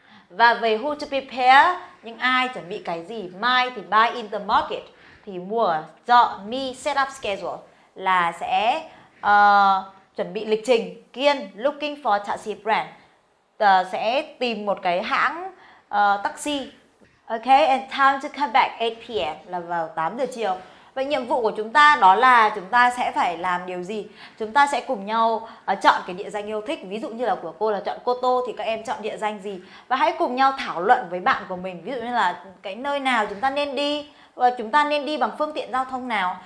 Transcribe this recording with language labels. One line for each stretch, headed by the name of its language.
Vietnamese: Và về
English: who to prepare,
Vietnamese: những ai chuẩn bị cái gì. Mai thì
English: buy in the market,
Vietnamese: thì mua chợ. Me
English: set up schedule
Vietnamese: là sẽ chuẩn bị lịch trình. Kiên
English: looking for taxi brand,
Vietnamese: sẽ tìm một cái hãng taxi.
English: Ok, and time to come back 8 p.m.
Vietnamese: là vào 8 giờ chiều. Vậy nhiệm vụ của chúng ta đó là chúng ta sẽ phải làm điều gì? Chúng ta sẽ cùng nhau chọn cái địa danh yêu thích. Ví dụ như là của cô là chọn Koto thì các em chọn địa danh gì? Và hãy cùng nhau thảo luận với bạn của mình. Ví dụ như là cái nơi nào chúng ta nên đi, và chúng ta nên đi bằng phương tiện giao thông nào.